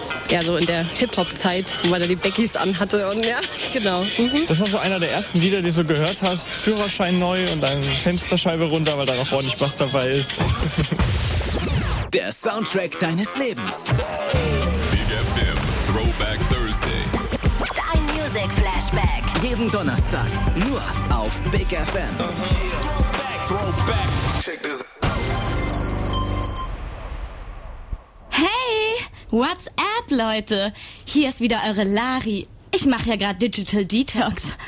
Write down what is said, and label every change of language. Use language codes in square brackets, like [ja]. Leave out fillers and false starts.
[de] Ja, so in der Hip-Hop-Zeit, wo man da die Baggies anhatte und ja, genau. Mhm. Das war so einer der ersten Lieder, die du so gehört hast. Führerschein neu und dann Fensterscheibe runter, weil da noch ordentlich Bass dabei ist. Der Soundtrack deines Lebens. [en] Big FM Throwback Thursday. [de] Dein Music Flashback. Jeden Donnerstag nur auf Big FM. Uh-huh. [en] Yeah. Throwback. Check this out. What's up, Leute? [de] Hier ist wieder eure Lari. Ich mache ja gerade Digital Detox.